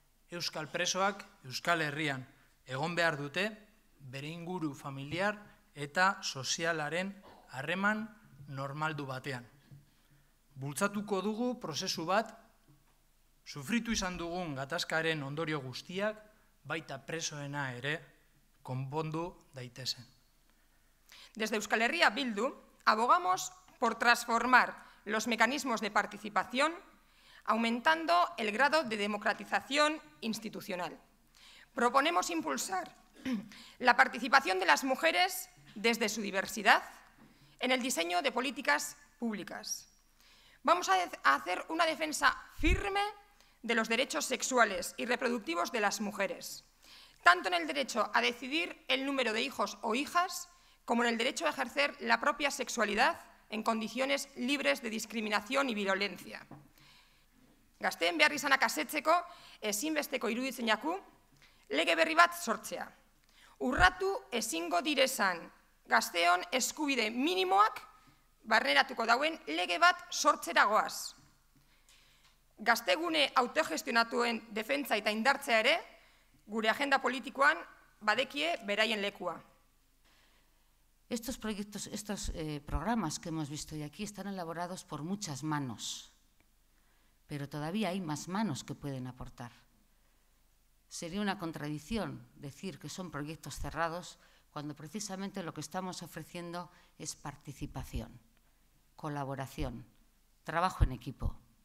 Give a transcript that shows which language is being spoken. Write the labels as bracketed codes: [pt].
[eu] Euskal presoak Euskal Herrian egon behar dute bere inguru familiar eta sozialaren harreman normaldu batean. Bultzatuko dugu prozesu bat, sufritu izan dugun gatazkaren ondorio guztiak, baita presoena ere, konpondu daitezen. [es] Desde Euskal Herria Bildu, abogamos por transformar los mecanismos de participación aumentando el grado de democratización institucional. Proponemos impulsar la participación de las mujeres desde su diversidad en el diseño de políticas públicas. Vamos a hacer una defensa firme de los derechos sexuales y reproductivos de las mujeres, tanto en el derecho a decidir el número de hijos o hijas como en el derecho a ejercer la propia sexualidad en condiciones libres de discriminación y violencia. [eu] Gazteen behar izanak asetzeko, ezinbesteko iruditzen jaku, lege berri bat sortzea. Urratu ezingo direzan gazteon eskubide minimoak barneratuko dauen lege bat sortzera goaz. Gaztegune autogestionatuen defentza eta indartzea ere, gure agenda politikoan badekie beraien lekua. [es] Estos proyectos, estos programas que hemos visto hoy aquí están elaborados por muchas manos, pero todavía hay más manos que pueden aportar. Sería una contradicción decir que son proyectos cerrados cuando precisamente lo que estamos ofreciendo es participación, colaboración, trabajo en equipo.